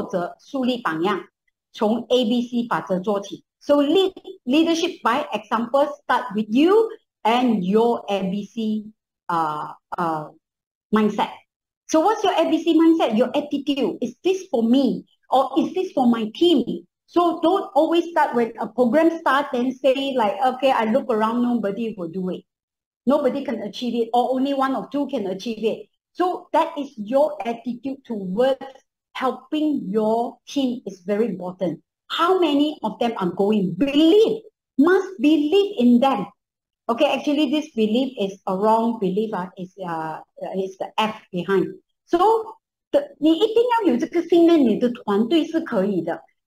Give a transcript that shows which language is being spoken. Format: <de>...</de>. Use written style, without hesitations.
<zh>我们领导的行动是什么？很简单的，就是以身作则，树立榜样，从 ABC法则做起.</zh> <en>So lead leadership by example, start with you and your ABC mindset. So what's your ABC mindset? Your attitude. Is this for me or is this for my team? So don't always start when a program starts and say like, okay, I look around, nobody will do it. Nobody can achieve it, or only one or two can achieve it. So that is your attitude towards helping your team is very important. How many of them are going? Believe, must believe in them. Okay, actually this belief is a wrong belief, it's the F behind.</en> <zh>So 你一定要有这个信念，你的团队是可以的。</zh>